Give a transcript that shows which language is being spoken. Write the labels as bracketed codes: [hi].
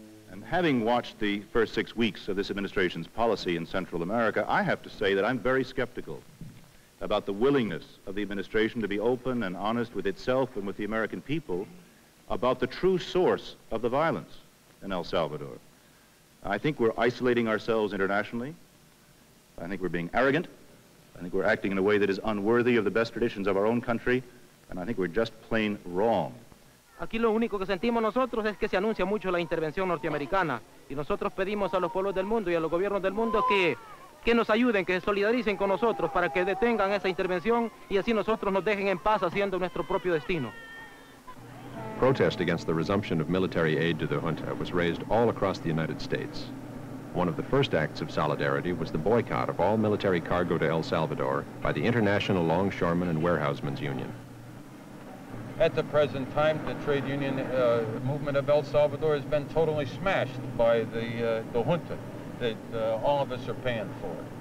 [en] And having watched the first 6 weeks of this administration's policy in Central America, I have to say that I'm very skeptical about the willingness of the administration to be open and honest with itself and with the American people about the true source of the violence in El Salvador. I think we're isolating ourselves internationally. I think we're being arrogant. I think we're acting in a way that is unworthy of the best traditions of our own country. And I think we're just plain wrong. [es] Aquí lo único que sentimos nosotros es que se anuncia mucho la intervención norteamericana. Y nosotros pedimos a los pueblos del mundo y a los gobiernos del mundo que nos ayuden, que se solidaricen con nosotros para que detengan esa intervención y así nosotros nos dejen en paz haciendo nuestro propio destino. [en] Protest against the resumption of military aid to the junta was raised all across the United States. One of the first acts of solidarity was the boycott of all military cargo to El Salvador by the International Longshoremen and Warehousemen's Union. At the present time, the trade union movement of El Salvador has been totally smashed by the junta that all of us are paying for.